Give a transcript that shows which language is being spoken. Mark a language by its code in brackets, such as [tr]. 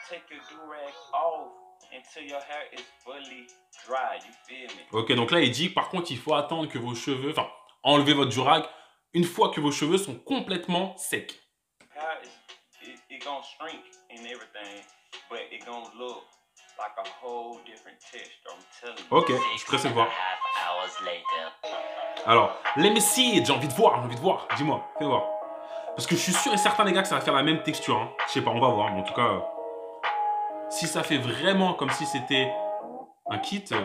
[en] Take your durag off until your hair is fully dry. You feel me? [fr] Ok, donc là il dit par contre il faut attendre que vos cheveux, enfin enlever votre durag une fois que vos cheveux sont complètement secs. [en] It gonna shrink and everything, but it gonna look like a whole different texture. I'm telling you. [fr] Ok, je suis pressé de voir. Alors, [en] let me see, [fr] j'ai envie de voir, dis-moi, fais voir. Parce que je suis sûr et certain, les gars, que ça va faire la même texture. Hein. Je sais pas, on va voir, mais en tout cas, si ça fait vraiment comme si c'était un kit.